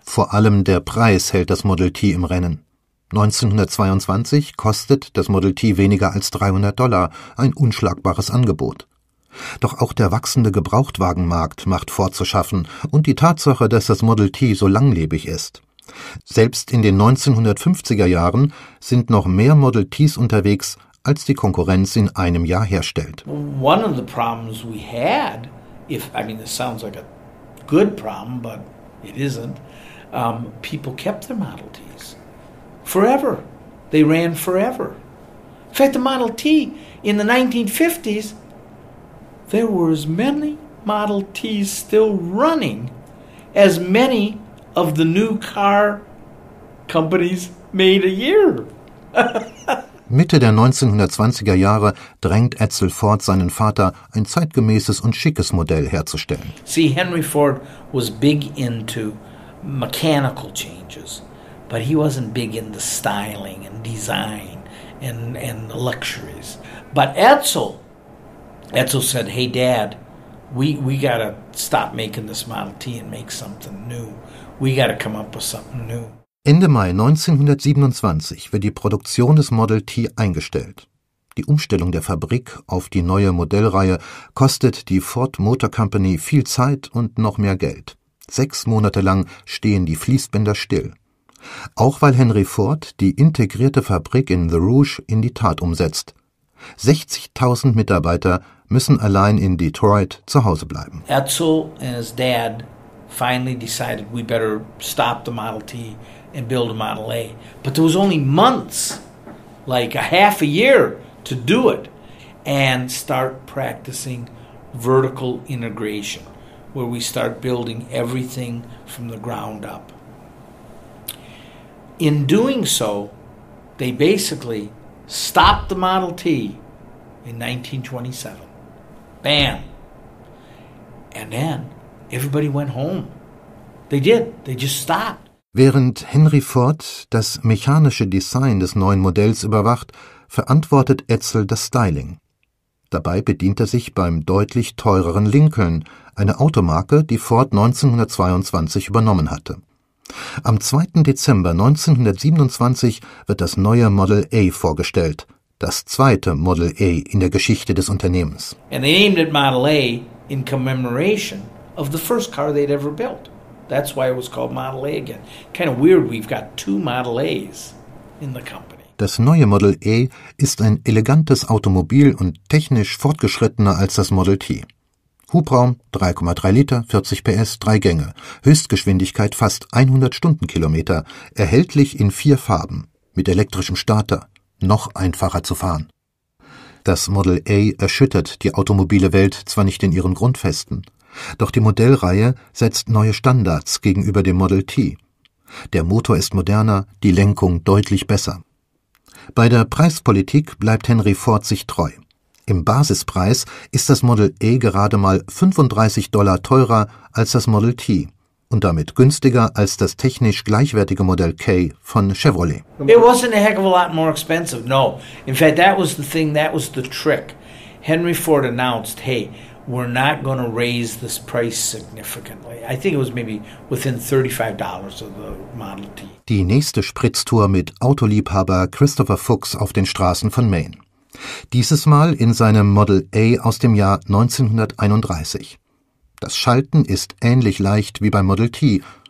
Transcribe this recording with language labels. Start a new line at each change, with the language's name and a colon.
German: Vor allem der Preis hält das Model T im Rennen. 1922 kostet das Model T weniger als $300, ein unschlagbares Angebot. Doch auch der wachsende Gebrauchtwagenmarkt macht Ford zu schaffen und die Tatsache, dass das Model T so langlebig ist. Selbst in den 1950er Jahren sind noch mehr Model Ts unterwegs, als die Konkurrenz in einem Jahr herstellt.
English: One of the problems we had, this sounds like a good problem, but it isn't, people kept their Model Ts forever. They ran forever. In fact, the Model T, in the 1950s, there were as many Model Ts still running as many of the new car companies made a year.
German: Mitte der 1920er Jahre drängt Edsel Ford seinen Vater, ein zeitgemäßes und schickes Modell herzustellen.
English: See, Henry Ford was big into mechanical changes, but he wasn't big into styling and design and the luxuries. But Edsel said, hey dad, we gotta stop making this Model T and make something new. We gotta come up with something new.
German: Ende Mai 1927 wird die Produktion des Model T eingestellt. Die Umstellung der Fabrik auf die neue Modellreihe kostet die Ford Motor Company viel Zeit und noch mehr Geld. 6 Monate lang stehen die Fließbänder still. Auch weil Henry Ford die integrierte Fabrik in The Rouge in die Tat umsetzt. 60.000 Mitarbeiter müssen allein in Detroit zu Hause bleiben.
English: Edsel and his dad finally decided we better stop the Model T and build a Model A. But there was only months, like a half a year, to do it and start practicing vertical integration, where we start building everything from the ground up. In doing so, they basically stopped the Model T in 1927. Bam! And then everybody went home. They did. They just stopped.
German: Während Henry Ford das mechanische Design des neuen Modells überwacht, verantwortet Edsel das Styling. Dabei bedient er sich beim deutlich teureren Lincoln, eine Automarke, die Ford 1922 übernommen hatte. Am 2. Dezember 1927 wird das neue Model A vorgestellt, das zweite Model A in der Geschichte des Unternehmens.
English: And they named it Model A in commemoration of the first car they'd ever built. That's why it was called Model A again. Kind of weird, we've got 2 Model A's in the company.
German: Das neue Model A ist ein elegantes Automobil und technisch fortgeschrittener als das Model T. Hubraum 3,3 Liter, 40 PS, 3 Gänge. Höchstgeschwindigkeit fast 100 Stundenkilometer. Erhältlich in 4 Farben. Mit elektrischem Starter. Noch einfacher zu fahren. Das Model A erschüttert die automobile Welt zwar nicht in ihren Grundfesten. Doch die Modellreihe setzt neue Standards gegenüber dem Model T. Der Motor ist moderner, die Lenkung deutlich besser. Bei der Preispolitik bleibt Henry Ford sich treu. Im Basispreis ist das Model A gerade mal $35 teurer als das Model T und damit günstiger als das technisch gleichwertige Modell K von Chevrolet.
English: It wasn't a heck of a lot more expensive, no. In fact, that was the thing, that was the trick. Henry Ford announced, hey, we're not going to raise this price significantly. I think it was maybe within $35 of the Model T.
German: Die nächste Spritztour mit Autoliebhaber Christopher Fuchs auf den Straßen von Maine. Dieses Mal in seinem Model A aus dem Jahr 1931. Das Schalten ist ähnlich leicht wie beim Model T.